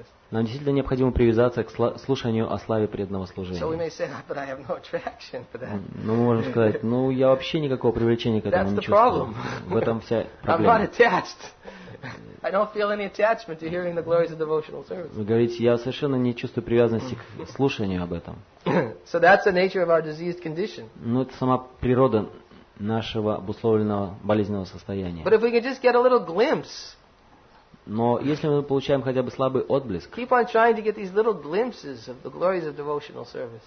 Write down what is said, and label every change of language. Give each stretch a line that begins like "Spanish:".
Russian: Нам действительно необходимо привязаться к слушанию о славе преданного служения.
English: So we may say, but I have no attraction for that.
Russian: Ну, мы можем сказать, ну, я вообще никакого привлечения к этому не чувствую. В этом вся проблема.
English: I'm not attached. I don't feel any attachment to hearing the glories of devotional service.
Russian: Вы говорите, я совершенно не чувствую привязанности к слушанию об этом.
English: So that's the nature of our diseased condition.
Russian: Ну, это сама природа нашего обусловленного болезненного состояния.
English: But if we can just get a little glimpse.
Russian: Но если мы получаем хотя бы слабый отблеск.
English: Keep on trying to get these little glimpses of the glories of devotional service.